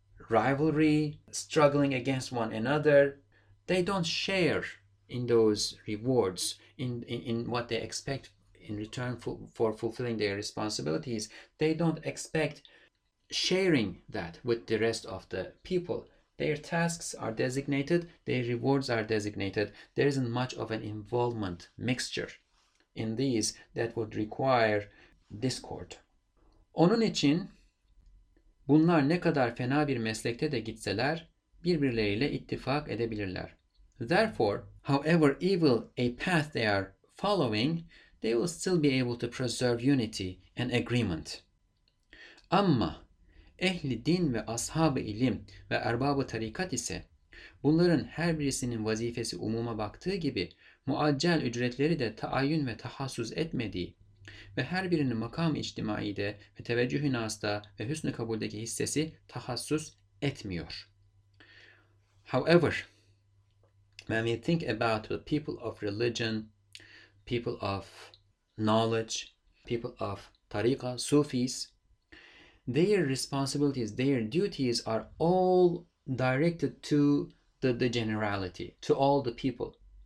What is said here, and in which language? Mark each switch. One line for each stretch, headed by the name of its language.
English: rivalry, struggling against one another. They don't share in those rewards, in what they expect in return for fulfilling their responsibilities. They don't expect sharing that with the rest of the people. Their tasks are designated, their rewards are designated. There isn't much of an involvement mixture in these that would require discord.
Turkish: Onun için bunlar ne kadar fena bir meslekte de gitseler birbirleriyle ittifak edebilirler.
English: Therefore, however evil a path they are following, they will still be able to preserve unity and agreement.
Turkish: Ama ehli din ve ashab-ı ilim ve erbab-ı tarikat ise bunların her birisinin vazifesi umuma baktığı gibi muaccel ücretleri de taayyün ve tahassüs etmediği ve her birinin makam-ı içtimaide ve teveccüh-ü nasta ve hüsnü kabuldeki hissesi tahassüs etmiyor.
English: However, when we think about the people of religion, people of knowledge, people of tariqa, Sufis, their responsibilities, their duties are all directed to the generality, to all the people.